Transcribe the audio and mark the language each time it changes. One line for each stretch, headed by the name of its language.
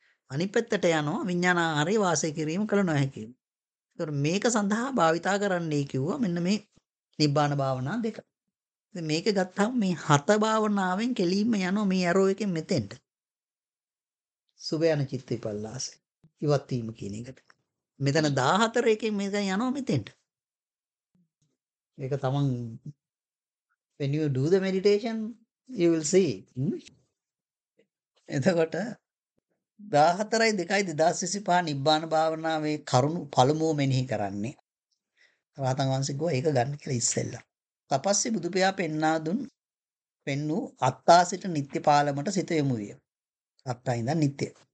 Sinhala: අනිත් පැත්තට යනවා විඥානාහාරේ වාසය කිරීම කළ නොහැකි. ඒකර මේක සඳහා භාවිතා කරන්නයි කිව්වා මෙන්න මේ නිබ්බාන භාවනා දෙක. ඉතින් මේක ගත්තාම මේ හත භාවනාවෙන් කෙලින්ම යනවා මේ ඇරෝ එකෙන් මෙතෙන්ට. සුබ යන චිත්ත විපල්ලාසය ඉවත් වීම කියන එකට. මෙතන 14 එකෙන් මේක යනවා මෙතෙන්ට. ඒක තමන්
English: when you do the meditation you will see.
Sinhala: එතකොට 14/2/2025 නිබ්බාන භාවනාවේ කරුණු පළමුව මෙනෙහි කරන්නේ රහතන් වහන්සේ ගෝ ඒක ගන්න කියලා ඉස්සෙල්ලා. තපස්සේ බුදුපියා පෙන්නා දුන් පෙන්නු අත්තා සිට නිත්‍ය පාලමට සිත යොමු විය. අත්තා ඉඳන් නිත්‍ය.